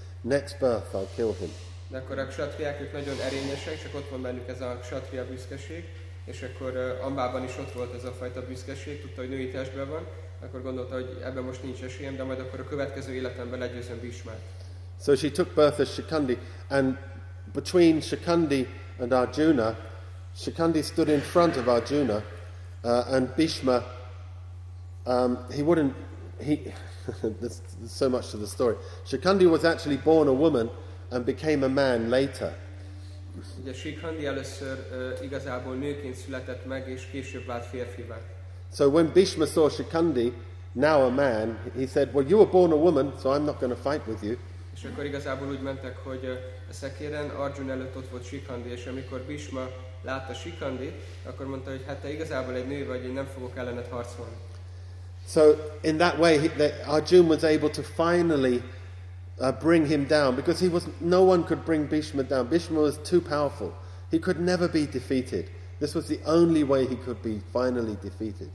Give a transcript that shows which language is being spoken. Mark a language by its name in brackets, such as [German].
[English] Next birth, I'll kill him. [Hungarian] De akkor a kshatriák nagyon erényesek, csak ott van bennük ez a kshatriya büszkeség, és akkor Ambában is ott volt ez a fajta büszkeség, tudta, hogy női testben van. Akkor gondolta, hogy ebben most nincs esélyem, de majd akkor a következő életemben legyőzöm Bhishmát. [English] So she took birth as Shikhandi, and between Shikhandi and Arjuna, Shikhandi stood in front of Arjuna, and Bhishma, there's so much to the story. Shikhandi was actually born a woman and became a man later. [Hungarian] Ugye Shikhandi először igazából nőként született meg, és később vált férfivá. [English] So when Bhishma saw Shikhandi, now a man, he said, well, you were born a woman, so I'm not going to fight with you. [Hungarian] És akkor igazából úgy mentek, hogy a szekéren Arjuna előtt ott volt Shikhandi, és amikor Bhishma látta Shikhandit, akkor mondta, hogy hát te igazából egy nő vagy, én nem fogok ellened harcolni. [English] So in that way, Arjuna was able to finally bring him down, because no one could bring Bhishma down. Bhishma was too powerful. He could never be defeated. This was the only way he could be finally defeated.